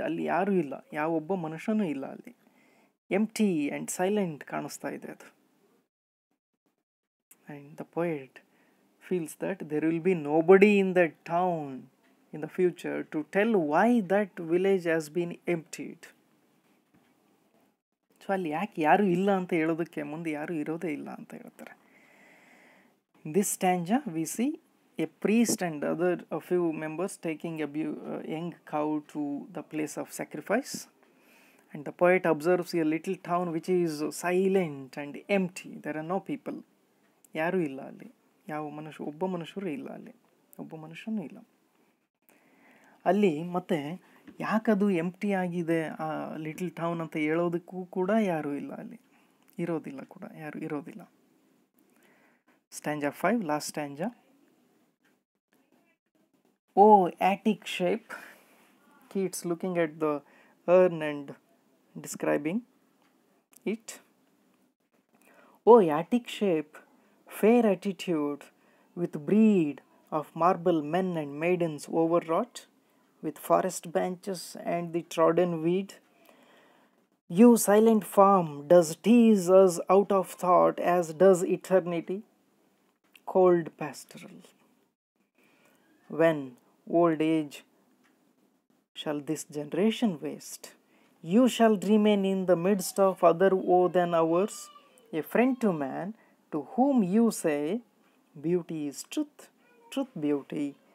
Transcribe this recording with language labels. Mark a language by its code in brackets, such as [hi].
[kn] Alli yaru illa, yav obba manushanu illa alli. [en] Empty and silent [kn] kanusta ide adu. [en] And the poet feels that there will be nobody in that town in the future to tell why that village has been emptied. [kn] So ಅಲ್ಲಿ ಯಾಕೆ ಯಾರು ಇಲ್ಲ ಅಂತ ಹೇಳೋದಕ್ಕೆ ಮುಂದೆ ಯಾರು ಇರೋದೇ ಇಲ್ಲ ಅಂತ ಹೇಳ್ತಾರೆ. [en] This stanza we see a priest and other a few members taking a beau young cow to the place of sacrifice. And the poet observes a little town which is silent and empty, there are no people, [kn] ಯಾರೂ ಇಲ್ಲ ಅಲ್ಲಿ, ಯಾವ ಮನುಷ್ಯ ಒಬ್ಬ ಮನುಷ್ಯರು ಇಲ್ಲ ಅಲ್ಲಿ, [en] ಒಬ್ಬ ಮನುಷ್ಯನೂ ಇಲ್ಲ ಅಲ್ಲಿ. [kn] ಮತ್ತೆ ಯಾಕದು ಎಂಪ್ಟಿ ಆಗಿದೆ ಆ [en] little town [kn] ಅಂತ ಹೇಳೋದಕ್ಕೂ ಕೂಡ ಯಾರೂ ಇಲ್ಲ ಅಲ್ಲಿ, ಇರೋದಿಲ್ಲ ಕೂಡ, ಯಾರು ಇರೋದಿಲ್ಲ. [en] Stanza 5, last stanza. O Attic shape, Keats looking at the urn and describing it. O Attic shape, fair attitude with breed of marble men and maidens overwrought with forest branches and the trodden weed. You silent form does tease us out of thought as does eternity, cold pastoral. When old age shall this generation waste, you shall remain in the midst of other woe than ours, a friend to man, to whom you say, beauty is truth, truth beauty.